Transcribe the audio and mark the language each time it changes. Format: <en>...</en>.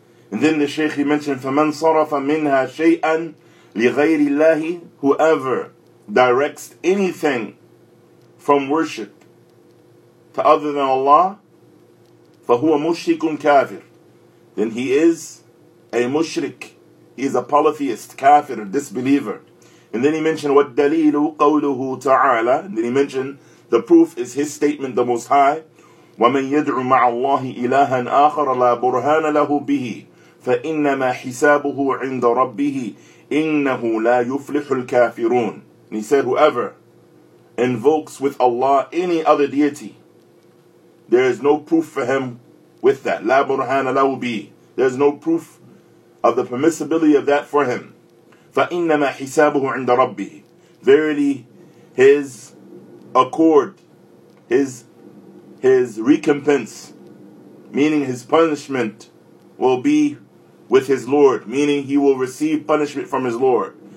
<en>And then the Shaykh, he mentioned,</en> <ar>فَمَنْ صَرَفَ مِنْهَا شَيْئًا لِغَيْرِ اللَّهِ,</ar> <en>whoever directs anything from worship to other than Allah,</en> <ar>فَهُوَ مُشْرِكٌ كَافِرٌ,</ar> <en>then he is a mushrik. He is a polytheist, kafir, disbeliever. And then he mentioned,</en> <ar>وَالدَّلِيلُ قَوْلُهُ تَعَالَى,</ar> <en>and then he mentioned, the proof is his statement, the Most High,</en> <ar>وَمَنْ يَدْعُ مَعَ اللَّهِ إِلَهًا آخَرَ لَا بُرْهَانَ لَهُ بِهِ فَإِنَّمَا حِسَابُهُ عِنْدَ رَبِّهِ إِنَّهُ لَا يُفْلِحُ الْكَافِرُونَ.</ar> <en>And he said, whoever invokes with Allah any other deity, there is no proof for him with that.</en> <ar>لَا بُرْهَانَ لَهُ بِهِ,</ar> <en>there is no proof of the permissibility of that for him.</en> <ar>فَإِنَّمَا حِسَابُهُ عِنْدَ رَبِّهِ,</ar> <en>verily his accord, his recompense, meaning his punishment, will be with his Lord, meaning he will receive punishment from his Lord.</en>